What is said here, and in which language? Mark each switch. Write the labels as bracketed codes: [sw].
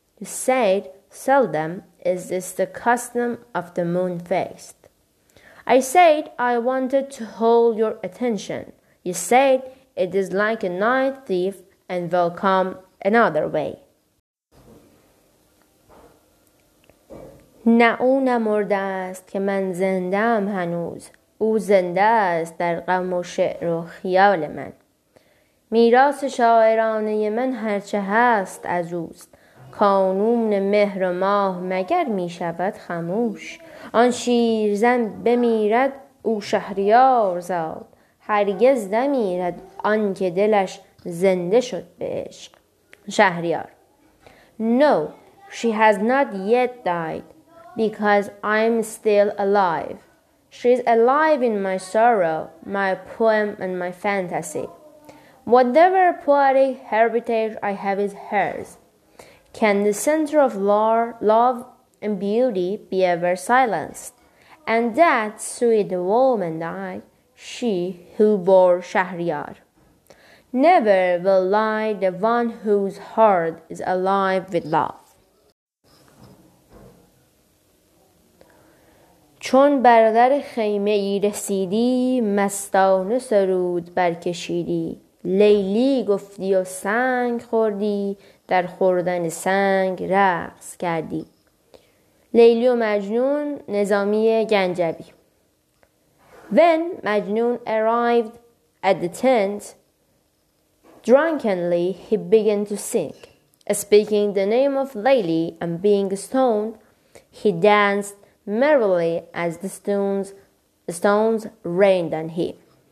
[en] You said seldom is this the custom of the moon faced. I said I wanted to hold your attention. You said it is like a night thief and will come another way. [fa] نه او نمرده است که من زنده ام هنوز، او زنده است در غم و شعر و خیال من. میراث شاعرانه من هرچه هست از اوست، کانون مهر و ماه مگر می شود خموش. آن شیرزن بمیرد او شهریار زاد، هرگز نمیرد آن که دلش زنده شد به عشق. Shahriyar. [en] No, she has not yet died, because I am still alive. She is alive in my sorrow, my poem and my fantasy. Whatever poetic heritage I have is hers. Can the center of love and beauty be ever silenced? And that sweet woman die, she who bore Shahriyar. Never will lie the one whose heart is alive with love. [fa] چون بر در خیمه ای رسیدی، مستانه سرود برکشیدی. لیلی گفتی و سنگ خوردی، در خوردن سنگ رقص کردی. لیلی و مجنون، نظامی گنجوی. [en] When Majnun arrived at the tent, drunkenly, he began to sing, speaking the name of Layli, and being stoned, he danced merrily as the stones rained on him.